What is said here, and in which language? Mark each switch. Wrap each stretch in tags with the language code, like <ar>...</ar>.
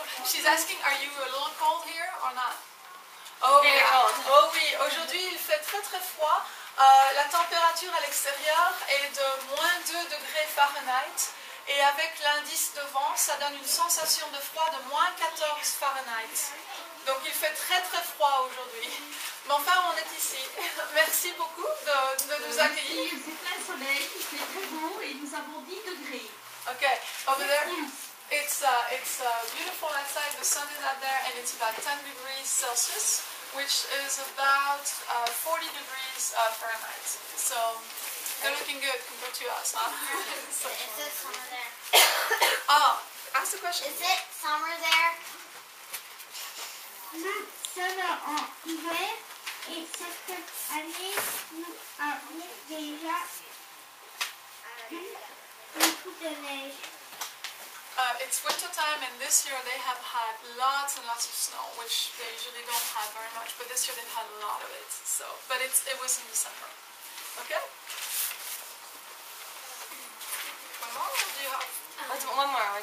<en>She's asking, are you a little cold here or not? Oh, cold.</en> <fr>Oh oui, aujourd'hui il fait très très froid. La température à l'extérieur est de moins 2 degrés Fahrenheit. Et avec l'indice de vent, ça donne une sensation de froid de moins 14 Fahrenheit. Donc il fait très très froid aujourd'hui. Mais enfin, on est ici. Merci beaucoup de nous accueillir. Il fait plein soleil, il fait très beau et nous avons 10 degrés.</fr> <en>Ok, over there. It's beautiful outside. The sun is out there and it's about 10 degrees Celsius, which is about 40 degrees Fahrenheit. So they're looking good compared to us, huh? Is it summer there? Oh, ask the question. Is it summer there?</en> <fr>Non, summer en hiver. Et cette année, nous avons déjà beaucoup de neige.</fr> <en>It's winter time, and this year they have had lots and lots of snow, which they usually don't have very much, but this year they've had a lot of it. So, but it was in December. Okay? One more, or do you have? One more. Right?</en>